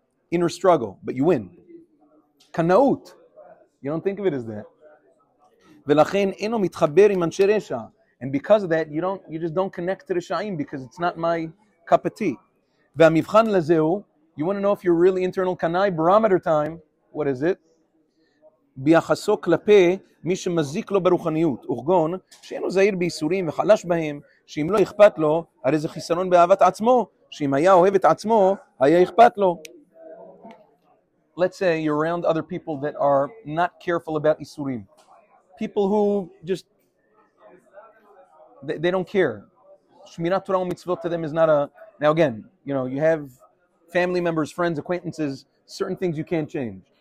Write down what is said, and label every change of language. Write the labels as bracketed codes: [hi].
[en] Inner struggle, but you win. Kanaut. You don't think of it as that. [he] Velachen eno mitchaber im anshei resha. [en] And because of that, you just don't connect to resha'im because it's not my cup of tea. [he] Ve'amivchan lazehu, [en] you want to know if you're really internal kanai, barometer time, what is it? [he] ביחסו כלפי מי שמזיק לו ברוחניות, אורגון, שאינו זהיר ביסורים וחלש בהם, שאם לא אכפת לו, הרי זה חיסרון באהבת עצמו, שאם היה אוהב את עצמו, היה אכפת לו. [en] Let's say you're around other people that are not careful about איסורים. People who just, they don't care. שמירת תורה ומצוות to them is not a, now again, you know, you have family members, friends, acquaintances, certain things you can't change.